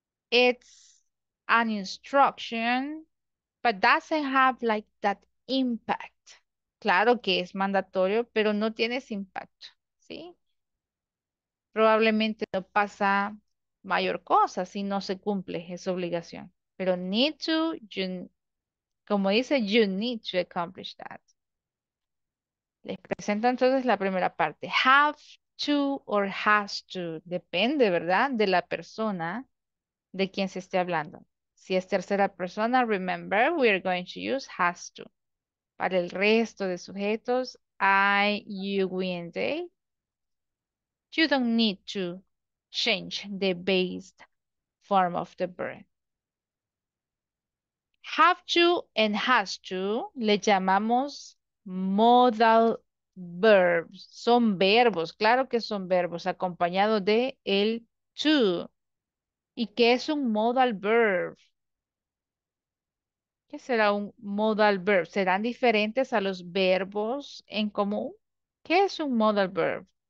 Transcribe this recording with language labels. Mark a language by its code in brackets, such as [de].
[en] It's an instruction, but doesn't have like that impact. [es] Claro que es mandatorio, pero no tiene ese impacto, ¿sí? Probablemente no pasa mayor cosa si no se cumple esa obligación. Pero [en] need to, you, [es] como dice, [en] you need to accomplish that. [es] Les presento entonces la primera parte. [en] Have to or has to. [es] Depende, ¿verdad? De la persona de quien se esté hablando. Si es tercera persona, [en] remember, we are going to use has to. [es] Para el resto de sujetos, [en] I, you, we, and they, you don't need to change the based form of the verb. Have to and has to [es] le llamamos [en] modal verbs. [es] Son verbos, claro que son verbos, acompañado de el to. ¿Y qué es un modal verb? ¿Qué será un modal verb? ¿Serán diferentes a los verbos en común? ¿Qué es un modal verb?